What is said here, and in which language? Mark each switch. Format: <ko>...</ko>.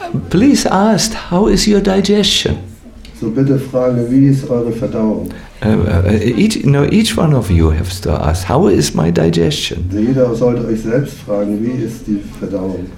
<en>Please ask, how is your digestion?</en> <de>So bitte frage, wie ist eure Verdauung?</de> <en>Each one of you has to ask, how is my digestion?</en> <de>Jeder sollte euch selbst fragen, wie ist die Verdauung?</de>